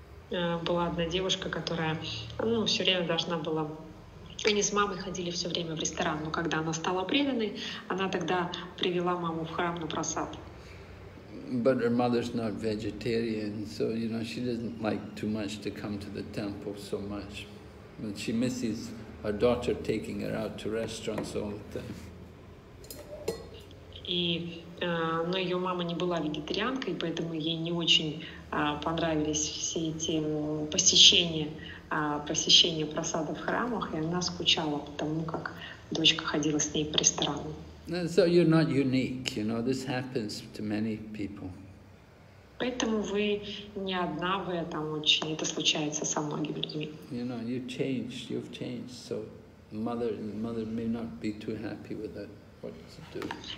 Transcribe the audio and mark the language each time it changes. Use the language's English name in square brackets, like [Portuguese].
[Russian] Была одна девушка, которая, ну, все время должна была... Они с мамой ходили все время в ресторан, но когда она стала преданной, она тогда привела маму в храм на прасад. [English] But her mother's not vegetarian, so, you know, she doesn't like too much to come to the temple so much. But she misses her daughter taking her out to restaurants all the time. [Russian] И, но ее мама не была вегетарианкой, поэтому ей не очень понравились все эти посещения прасада в храмах, и она скучала по тому, как дочка ходила с ней по ресторану. [English] So you're not unique, you know, this happens to many people. [Russian] Поэтому вы не одна в этом очень, это случается со многими людьми. [English] You know, you've changed, so mother may not be too happy with that, what to do.